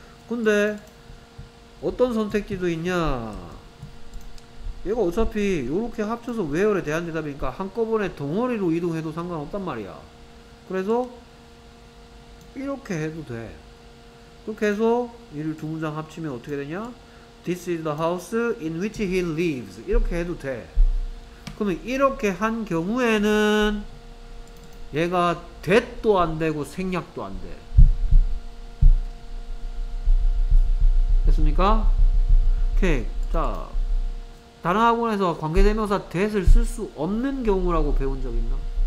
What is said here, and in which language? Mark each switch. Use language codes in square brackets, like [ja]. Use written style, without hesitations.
[ko] 근데 어떤 선택지도 있냐? 얘가 어차피 요렇게 합쳐서 우회열에 대한 대답이니까 한꺼번에 덩어리로 이동해도 상관없단 말이야. 그래서 이렇게 해도 돼. 그렇게 해서 이를 두 문장 합치면 어떻게 되냐? [en] This is the house in which he lives. [ko] 이렇게 해도 돼. 그러면 이렇게 한 경우에는 얘가 that도 안 되고 생략도 안 돼. 됐습니까? 오케이. 자, 다른 학원에서 관계대명사 that을 쓸수 없는 경우라고 배운 적 있나?